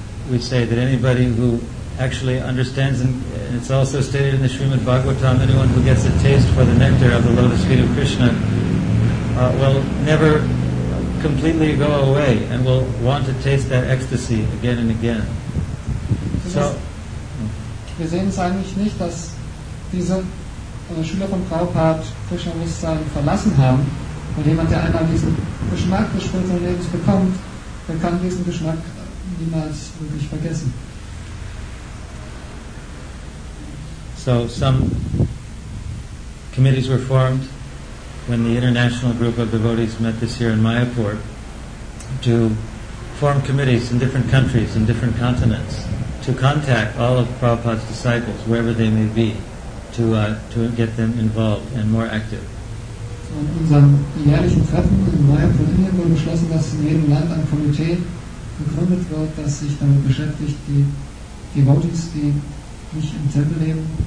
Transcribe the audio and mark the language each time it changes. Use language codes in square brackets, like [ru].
[en] We say that anybody who actually understands, and it's also stated in the Srimad Bhagavatam, anyone who gets a taste for the nectar of the lotus feet of Krishna will never completely go away and will want to taste that ecstasy again and again. So, [de] wir sehen es eigentlich nicht, dass diese Schüler von Prabhupada Krishna Bewusstsein verlassen haben, weil jemand, der einmal diesen Geschmack des späteren Lebens bekommt, der kann diesen Geschmack niemals wirklich vergessen. [en] So some committees were formed when the international group of devotees met this year in Mayapur to form committees in different countries, in different continents, to contact all of Prabhupada's disciples, wherever they may be, to get them involved and more active. [de] So in unserem jährlichen Treffen in Mayapur, Indien, wurde beschlossen, dass in jedem Land ein Komitee gegründet wird, das sich damit beschäftigt, die Devotees, die nicht im Tempel leben,